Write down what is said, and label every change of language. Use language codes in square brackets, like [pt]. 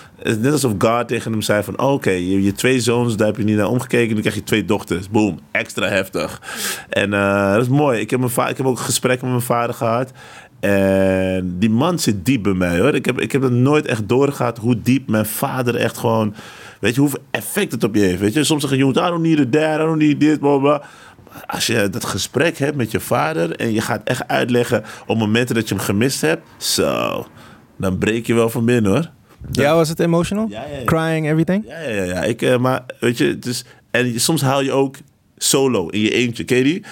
[nl] Net alsof God tegen hem zei van... Oké, je 2 zoons, daar heb je niet naar omgekeken. Nu krijg je 2 dochters. Boom, extra heftig. En dat is mooi. Ik heb ook gesprekken met mijn vader gehad. En die man zit diep bij mij, hoor. Ik heb het nooit echt doorgehad hoe diep mijn vader echt gewoon... Weet je, hoeveel effect het op je heeft, weet je? Soms zeg je, jongens, [en] I don't need a dad, [nl] I don't need dit, blablabla. Maar als je dat gesprek hebt met je vader... en je gaat echt uitleggen op momenten dat je hem gemist hebt... zo, dan breek je wel van binnen, hoor. Ja, was het emotional? Ja, ja, ja. [en] Crying, everything? [nl] Ja. Maar weet je, het is, en soms haal je ook... solo, in je eentje, ken je die?